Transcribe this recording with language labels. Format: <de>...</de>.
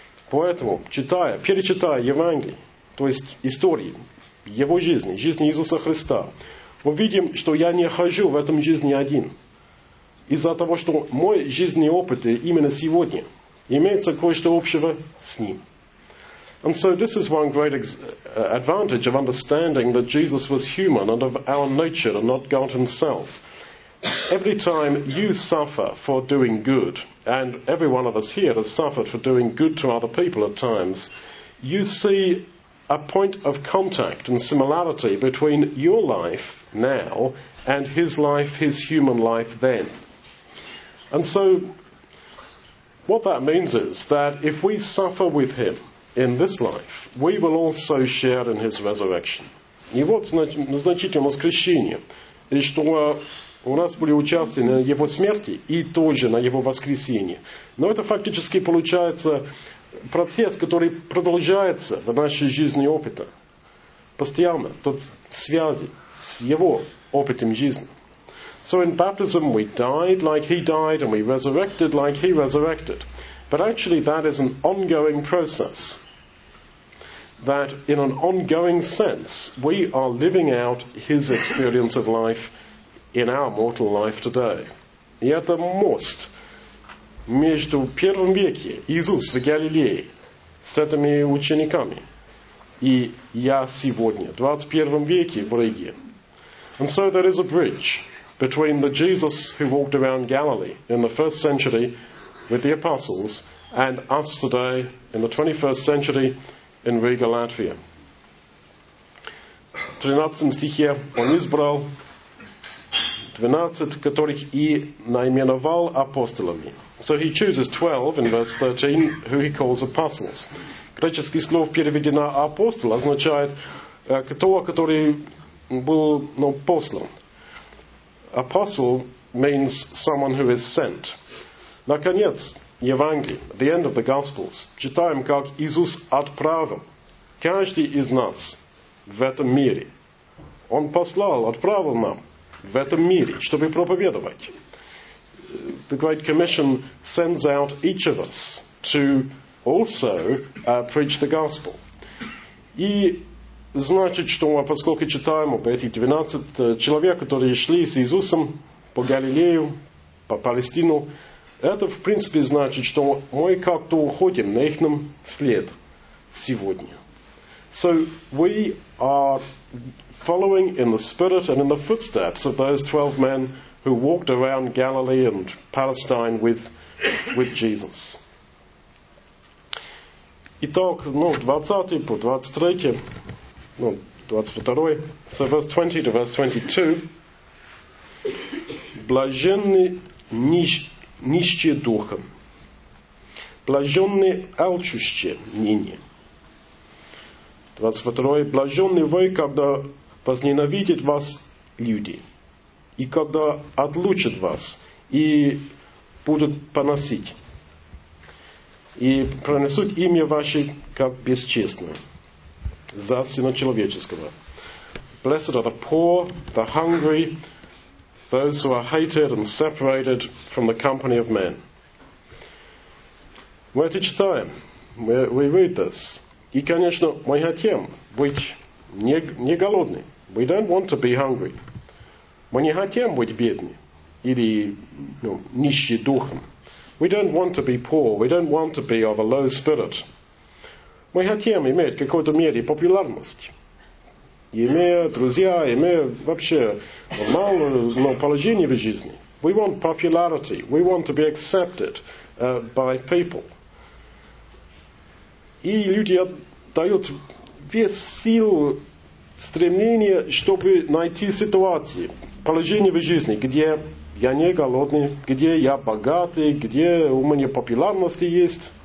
<ru>Поэтому, читая, перечитая Евангелие, то есть истории его жизни, жизни Иисуса Христа, мы видим, что я не хожу в этом жизни один. Из-за того, что мой жизненный опыт именно сегодня имеется кое-что общего с ним.</ru> <en>And so this is one great advantage of understanding that Jesus was human and of our nature and not God himself. Every time you suffer for doing good, and every one of us here has suffered for doing good to other people at times, you see a point of contact and similarity between your life now and his life, his human life then. And so what that means is that if we suffer with him in this life, we will also share in his resurrection.</en> <ru>И вот значительное воскрешение, и что у нас были участие на его смерти и тоже на его воскресении. Но это фактически получается процесс, который продолжается в нашей жизни опыта. Постоянно, тот связи с его опытом жизни.</ru> <en>So in baptism we died like he died and we resurrected like he resurrected. But actually that is an ongoing process. That in an ongoing sense we are living out his experience of life in our mortal life today.</en> <ru>И это мост между первым веке Иисус в Галилее с этими учениками и я сегодня, в 21 веке в Риге.</ru> <en>And so there is a bridge between the Jesus who walked around Galilee in the first century with the apostles and us today in the 21st century in Riga, Latvia.</en> <ru>В 13 стихе он избрал 12, которых и наименовал апостолами.</ru> <en>So he chooses 12 in verse 13, who he calls apostles.</en> <ru>Греческое слово переведено апостол означает того, который был послан.</ru> <en>Apostle means someone who is sent.</en> <ru>Наконец, Евангелие,</ru> <en>the end of the Gospels,</en> <ru>читаем, как Иисус отправил каждый из нас в этом мире. Он послал, отправил нам в этом мире, чтобы проповедовать.</ru> <en>The Great Commission sends out each of us to also preach the Gospel.</en> <ru>И значит, что поскольку читаем об этих 12 человек, которые шли с Иисусом по Галилею, по Палестину, это в принципе значит, что мы как-то уходим на их след сегодня.</ru> <en>So we are following in the spirit and in the footsteps of those 12 men who walked around Galilee and Palestine with Jesus.</en> <ru>Итак, ну, 20-й по 23-й, ну, 22-й,</ru> <en>so verse 20 to verse 22,</en> <ru>блаженны нищие духом, блаженны алчущие ныне. 22-й, блаженны вы, когда возненавидят вас люди, и когда отлучат вас, и будут поносить. И пронесут имя ваше как бесчестное за сына человеческого.</ru> <en>Blessed are the poor, the hungry, those who are hated and separated from the company of men.</en> <ru>Мы это читаем.</ru> <en>We read this.</en> <ru>И, конечно, мы хотим быть не голодны.</ru> <en>We don't want to be hungry.</en> <ru>Мы не хотим быть бедны или нищим духом.</ru> <en>We don't want to be poor. We don't want to be of a low spirit.</en> <ru>Мы хотим иметь какой-то мере популярность. Имея друзья, имея вообще мало положения в жизни.</ru> <en>We want popularity. We want to be accepted by people.</en> <ru>И люди отдают весь сил стремления, чтобы найти ситуации, положение в жизни, где я не голодный, где я богатый, где у меня популярность есть.</ru>